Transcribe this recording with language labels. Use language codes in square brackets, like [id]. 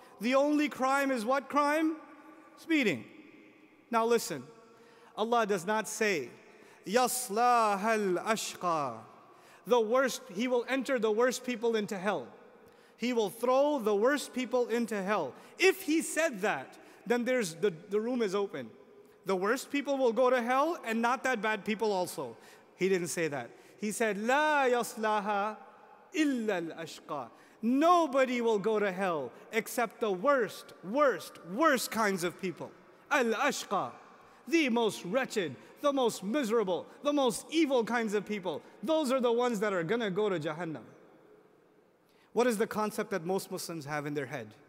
[en] The only crime is what crime? Speeding. Now listen, Allah does not say, [ar] يَصْلَاهَا الْأَشْقَى. [en] The worst, He will enter the worst people into hell. He will throw the worst people into hell. If He said that, then there's the room is open. The worst people will go to hell and not that bad people also. He didn't say that. He said, [ar] لَا يَصْلَاهَا إِلَّا الْأَشْقَى. [en] Nobody will go to hell except the worst, worst, worst kinds of people. Al-ashqa, the most wretched, the most miserable, the most evil kinds of people. Those are the ones that are gonna go to Jahannam. What is the concept that most Muslims have in their head?